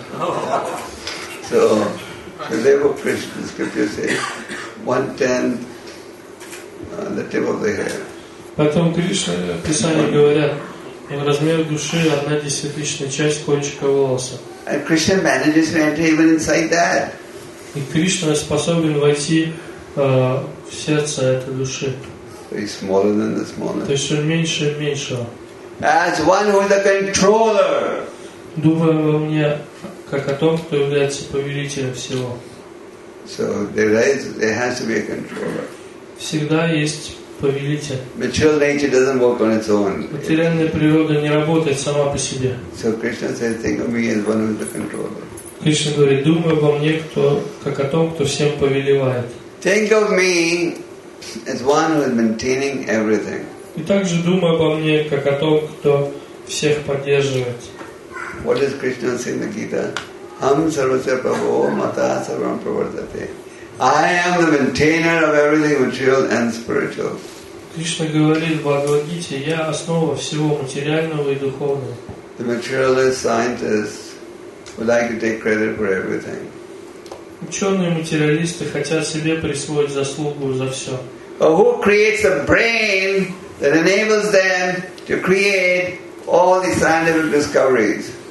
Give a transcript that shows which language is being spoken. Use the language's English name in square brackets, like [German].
[English] So, the level of Krishna, scripture says, 1/10 the tip of the hair. [Russian] Поэтому Кришна, писания говорят, размер души 1/10 часть кончика волоса. [English] And Krishna manages to enter even inside that. [Russian] И Кришна способен войти в сердце этой души. [English] He's smaller than the smallest. [Russian] То есть он меньше меньшего. [English] As one who is a controller. [Russian] Думаю во мне как о том, кто является повелителем всего. [English] So there has to be a controller. [Russian] Всегда есть повелитель. [English] Material nature doesn't work on its own. [Russian] Материальная природа не работает сама по себе. [English] So Krishna says, think of me as one who is a controller. [Russian] Кришна говорит: думаю во мне кто как о том, кто всем повелевает. [English] Think of me as one who is maintaining everything. [Russian] И также думай обо мне как о том, кто всех поддерживает. [English] What does Krishna say in the Gita? [Sanskrit] Ham sarvasya prabho mata sarvam pravartate. [English] I am the maintainer of everything material and spiritual. [Russian] Кришна говорит в Бхагавад-гите: я основа всего материального и духовного. [English] The materialist scientists would like to take credit for everything. [Russian] Ученые-материалисты хотят себе присвоить заслугу за все. [English] But who creates the brain that enables them to create all the scientific discoveries?